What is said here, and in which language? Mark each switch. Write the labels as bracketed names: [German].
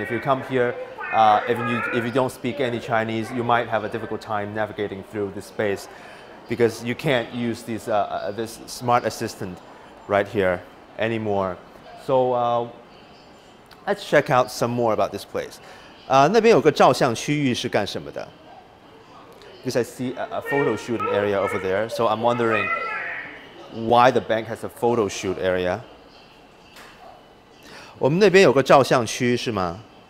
[English] If you come here, if you don't speak any Chinese, you might have a difficult time navigating through this space because you can't use this smart assistant right here anymore. So let's check out some more about this place. [Chinese] 那边有个照相区域是干什么的？ [English] Because I see a photo shoot area over there, so I'm wondering why the bank has a photo shoot area. [Chinese] 我们那边有个照相区是吗？